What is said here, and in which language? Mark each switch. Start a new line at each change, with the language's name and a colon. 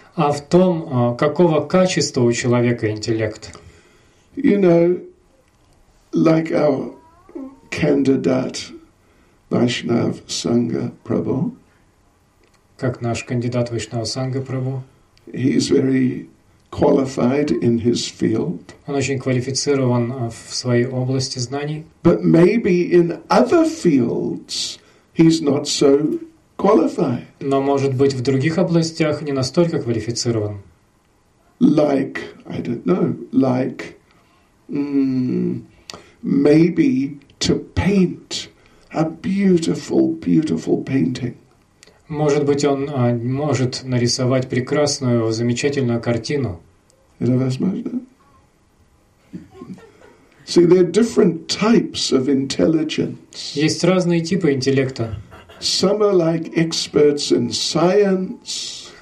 Russian: А в том, какого качества у человека интеллект.
English: You know, like our candidate Vaishnava Sangha Prabhu.
Russian: Как наш кандидат Вайшнава Санга Прабху.
English: He is very qualified in his field.
Russian: Он очень квалифицирован в своей области знаний.
English: But maybe in other fields he's not so qualified.
Russian: Но, может быть, в других областях не настолько квалифицирован.
English: Like, I don't know, like, maybe to paint a beautiful, beautiful painting.
Russian: Может быть, он может нарисовать прекрасную, замечательную картину. Это возможно?
English: See, there are different types of intelligence.
Russian: Есть разные типы интеллекта.
English: Some are like experts in science.